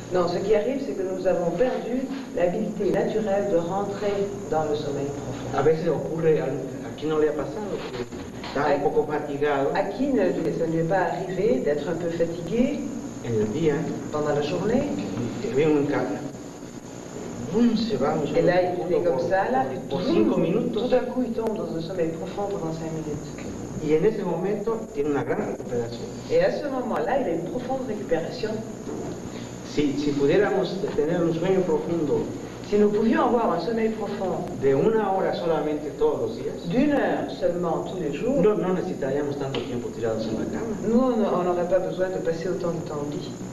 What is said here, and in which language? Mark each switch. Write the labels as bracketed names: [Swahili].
[French] No, ce qui arrive, c'est que nous avons perdu l'habilité naturelle de rentrer dans le sommeil profond. [Spanish] A veces ocurre ¿a quién no le ha pasado? Está un poco fatigado. ¿A quién no le ha pasado de estar un poco [French] fatigué? [Spanish] En el día. [French] Pendant la journée. [Spanish] Y ve un cable. ¡Bum! Se va. Y [French] là, il est comme ça, là. [Spanish] Por 5 minutos. [French] Tout d'un coup, il tombe dans un sommeil profond pendant 5 minutes. [Spanish] Y en ese momento, tiene una gran recuperación. [French] Et à ce moment-là, il a une profonde récupération. [Spanish] Si pudiéramos tener un sueño profundo. [French] Si nous pouvions avoir un sommeil profond [Spanish] de una hora solamente todos los días, [French] d'une heure seulement tous les jours, [Spanish] no necesitaríamos tanto tiempo tirados en la cama. [French] Nous, on n'aurait pas besoin de passer autant de temps au lit.